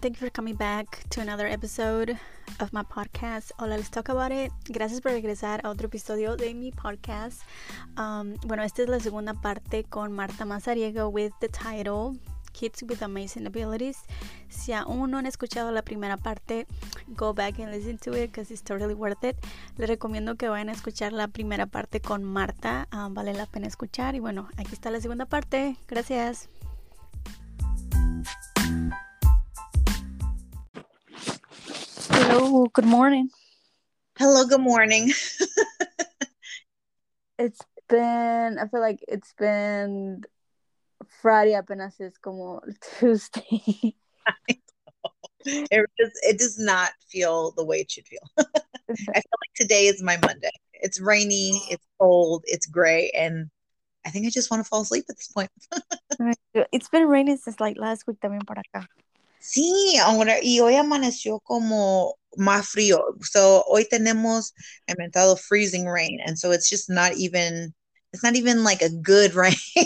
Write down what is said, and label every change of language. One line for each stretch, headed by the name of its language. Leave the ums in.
English: Thank you for coming back to another episode of my podcast. Hola, let's talk about it.
Spanish: Gracias por regresar a otro episodio de mi podcast. Um, bueno, esta es la segunda parte con Marta Mazariego
English: with the title
Spanish: Kids with Amazing Abilities. Si aún no han escuchado la primera parte,
English: go back and listen to it because it's totally worth it.
Spanish: Les recomiendo que vayan a escuchar la primera parte con Marta. Um, vale la pena escuchar. Y bueno, aquí está la segunda parte. Gracias.
English: Hello, good morning. Hello, good morning. It's been, I feel like it's been Friday
Spanish: apenas es como
English: Tuesday. It just it does not feel the way it should feel. I feel like today is my Monday. It's rainy, it's cold, it's gray, and I think I just want to fall asleep at this point. It's been raining since like last week
Spanish: también por acá. Sí, ahora, y hoy amaneció como más frío.
English: So
Spanish: hoy tenemos inventado
English: freezing rain, and so it's just not even it's not even like a good rain.